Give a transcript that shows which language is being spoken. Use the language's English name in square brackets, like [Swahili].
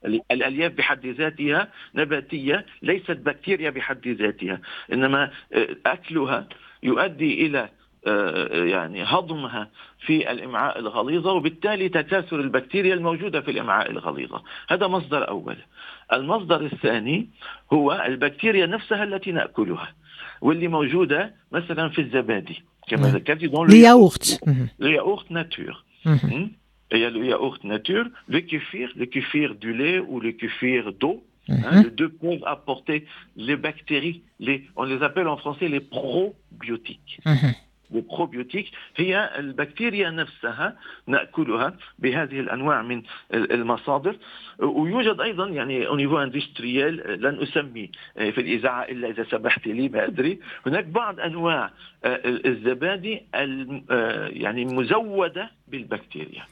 [Arabic] الألياف بحد ذاتها نباتية، ليست بكتيريا بحد ذاتها، إنما أكلها يؤدي إلى يعني هضمها في الإمعاء الغليظة وبالتالي تكاثر البكتيريا الموجودة في الإمعاء الغليظة. هذا مصدر أول. المصدر الثاني هو البكتيريا نفسها التي نأكلها واللي موجودة مثلا في الزبادي كما ذكرت الياوغت. [French] الياوغت ناتور هي الياوغت ناتور الكفير الكفير دو لي أو الكفير دو les deux peuvent apporter les bactéries, on les appelle en français les probiotiques. [Arabic] Les probiotiques, هي البكتيريا نفسها نأكلها بهذه الأنواع من المصادر. ويوجد أيضا يعني [French] au niveau industriel [Arabic] لن أسمي في الإذاعة إلا إذا سمحت لي ما أدري، هناك بعض أنواع الزبادي يعني مزودة بالبكتيريا